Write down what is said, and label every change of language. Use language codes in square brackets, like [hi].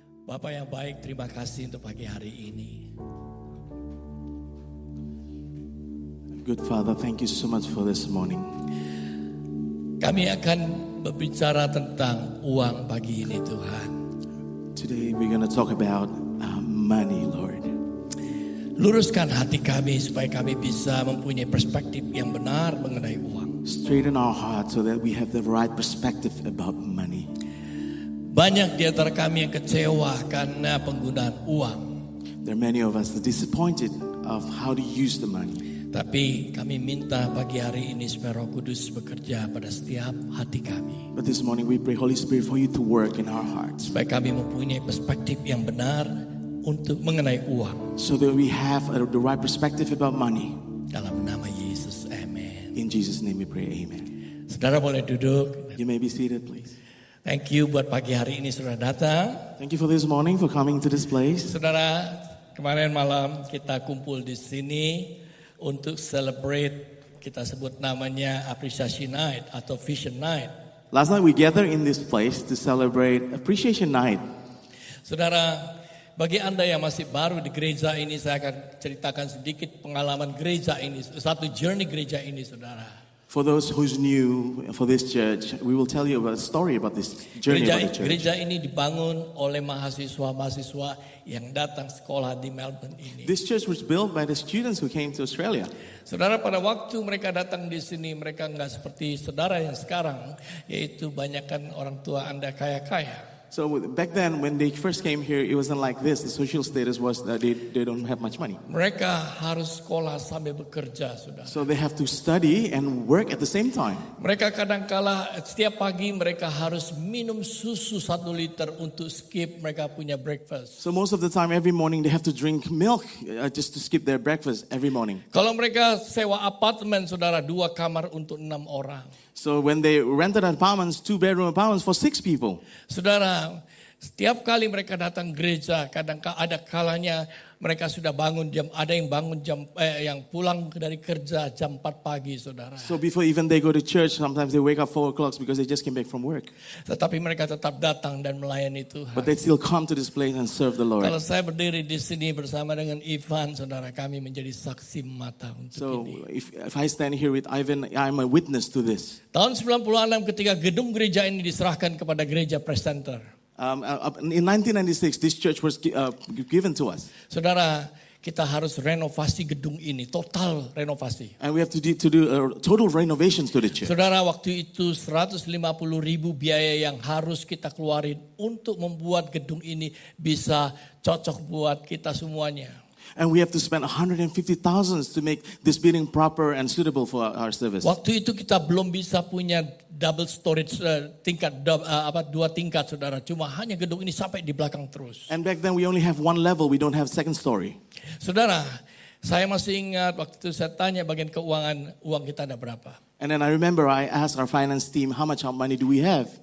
[id] Bapa yang baik, terima kasih untuk pagi hari ini. [en] Good Father, thank you so much for this morning. [id] Kami akan berbicara tentang uang pagi ini, Tuhan. [en] Today we're going to talk about money, Lord. [id] Luruskan hati kami supaya kami bisa mempunyai perspektif yang benar mengenai uang. [en] Straighten our hearts so that we have the right perspective about money. [id] Banyak di antara kami yang kecewa karena penggunaan uang. [en] There are many of us that are disappointed of how to use the money. [id] Tapi kami minta pagi hari ini supaya Roh Kudus bekerja pada setiap hati kami. [en] But this morning we pray, Holy Spirit, for you to work in our hearts. [id] Supaya kami mempunyai perspektif yang benar untuk mengenai uang. [en] So that we have the right perspective about money. [id] Dalam nama Yesus, amen. [en] In Jesus' name we pray, amen. [id] Saudara boleh duduk. [en] You may be seated, please. Thank you [id] buat pagi hari ini sudah datang. [en] Thank you for this morning for coming to this place. [id] Saudara, kemarin malam kita kumpul di sini untuk celebrate, kita sebut namanya Appreciation Night atau Vision Night. [en] Last night we gather in this place to celebrate Appreciation Night. [id] Saudara, bagi Anda yang masih baru di gereja ini, saya akan ceritakan sedikit pengalaman gereja ini, satu journey gereja ini, saudara. [en] For those who's new for this church, we will tell you about a story about this journey [id] gereja, [en] about the church. [id] Gereja ini dibangun oleh mahasiswa-mahasiswa yang datang sekolah di Melbourne ini. [en] This church was built by the students who came to Australia. [id] Saudara, pada waktu mereka datang di sini, mereka enggak seperti saudara yang sekarang, yaitu banyakkan orang tua Anda kaya-kaya. [en] So back then, when they first came here, it wasn't like this. The social status was that they don't have much money. [id] Mereka harus sekolah sambil bekerja, sudah. [en] So they have to study and work at the same time. [id] Mereka kadangkala setiap pagi mereka harus minum susu 1 liter untuk skip mereka punya breakfast. [en] So most of the time, every morning they have to drink milk just to skip their breakfast every morning. [id] Kalau mereka sewa apartemen, saudara, 2 kamar untuk 6 orang. [en] So when they rented apartments, 2-bedroom apartments for 6 people. [id] Saudara, setiap kali mereka datang gereja, kadang ada kalanya mereka sudah bangun jam, ada yang bangun jam, yang pulang dari kerja jam 4 pagi, saudara. [en] So before even they go to church, sometimes they wake up 4 o'clock because they just came back from work. [id] Tetapi mereka tetap datang dan melayani Tuhan. [en] But they still come to this place and serve the Lord. [id] Kalau saya berdiri di sini bersama dengan Ivan, saudara, kami menjadi saksi mata untuk [en] so [id] ini. [en] So if I stand here with Ivan, I'm a witness to this. [id] Tahun 96 ketika gedung gereja ini diserahkan kepada gereja presenter. [en] In 1996, this church was given to us. [id] Saudara, kita harus renovasi gedung ini, total renovasi. [en] And we have to do total renovations to the church. [id] Saudara, waktu itu 150.000 biaya yang harus kita keluarin untuk membuat gedung ini bisa cocok buat kita semuanya. [en] And we have to spend 150,000 to make this building proper and suitable for our service. [id] Waktu itu kita belum bisa punya double storage tingkat, dua tingkat, saudara. Cuma hanya gedung ini sampai di belakang terus. [en] And back then we only have one level, we don't have second story. [id] Saudara, saya masih ingat waktu itu saya tanya bagian keuangan, uang kita ada berapa. [en] And then I remember I asked our finance team, how much money do we have?